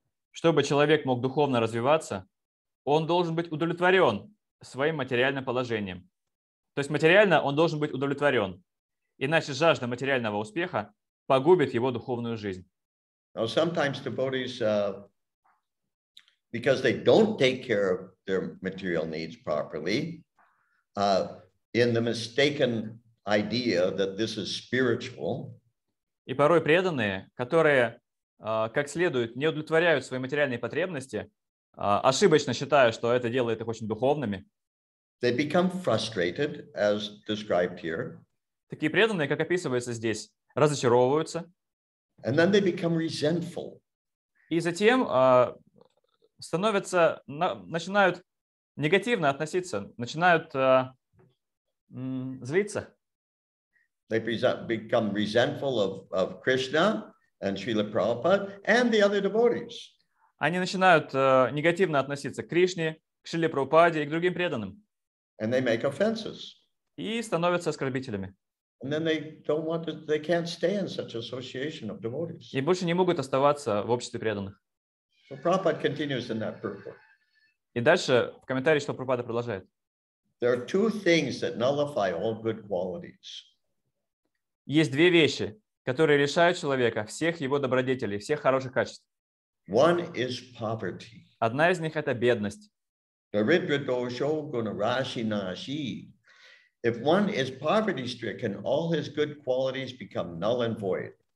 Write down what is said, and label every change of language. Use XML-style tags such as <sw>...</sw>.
<ru>Чтобы человек мог духовно развиваться, он должен быть удовлетворен своим материальным положением. То есть материально он должен быть удовлетворен. Иначе жажда материального успеха погубит его духовную жизнь.</ru> <en>Now, sometimes devotees, because they don't take care of their material needs properly, in the mistaken idea that this is spiritual.</en> <ru>И порой преданные, которые как следует не удовлетворяют свои материальные потребности, ошибочно считая, что это делает их очень духовными.</ru> <en>They become frustrated, as described here.</en> <ru>Такие преданные, как описывается здесь, разочаровываются.</ru> <en>And then they become resentful.</en> <ru>И затем становятся, начинают негативно относиться, начинают злиться.</ru> <en>They become resentful of Krishna and Srila Prabhupada and the other devotees.</en> <ru>Они начинают негативно относиться к Кришне, к Шриле Прабхупаде и к другим преданным.</ru> <en>And they make offenses.</en> <ru>И становятся оскорбителями.</ru> <en>And then they can't stay in such association of devotees.</en> <ru>И больше не могут оставаться в обществе преданных.</ru> <en>So Prabhupada continues in that purport.</en> <ru>И дальше в комментарии, что Прабхупада продолжает.</ru> <en>There are two things that nullify all good qualities.</en> <ru>Есть две вещи, которые лишают человека всех его добродетелей, всех хороших качеств.</ru> <en>One is poverty.</en> <ru>Одна из них – это бедность.</ru> <en>If one is poverty-stricken, all his good qualities become null and void.</en>